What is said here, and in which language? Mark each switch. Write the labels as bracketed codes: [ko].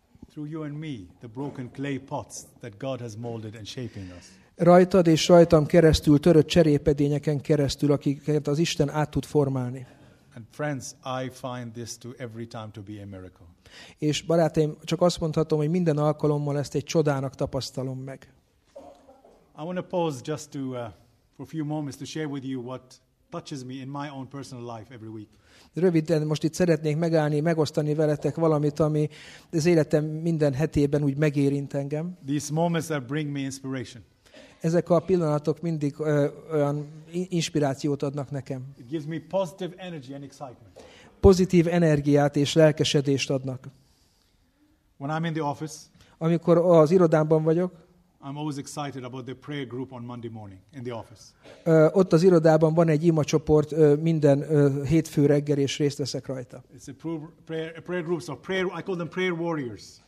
[en] Through you and me, the broken clay pots that God has molded and shaping us. [hu] Rajtad és rajtam keresztül, törött cserépedényeken keresztül, akiket az Isten át tud formálni. [en] And friends, I find this to every time to be a miracle. [hu] És barátaim, csak azt mondhatom, hogy minden alkalommal ezt egy csodának tapasztalom meg. [en] I want to pause just to for a few moments to share with you what touches me in my own personal life every week. [hu] Röviden most itt szeretnék megállni, megosztani veletek valamit, ami az életem minden hetében úgy megérint engem. [en] These moments that bring me inspiration. [hu] Ezek a pillanatok mindig olyan inspirációt adnak nekem. [en] It gives me positive energy and excitement. [hu] Pozitív energiát és lelkesedést adnak. [en] When I'm in the office, [hu] amikor az irodámban vagyok, [en] I'm always excited about the prayer group on Monday morning in the office. [hu] Ott az irodában van egy ima csoport minden hétfő reggel, és részt veszek rajta. [en] It's a prayer groups or prayer, I call them prayer warriors.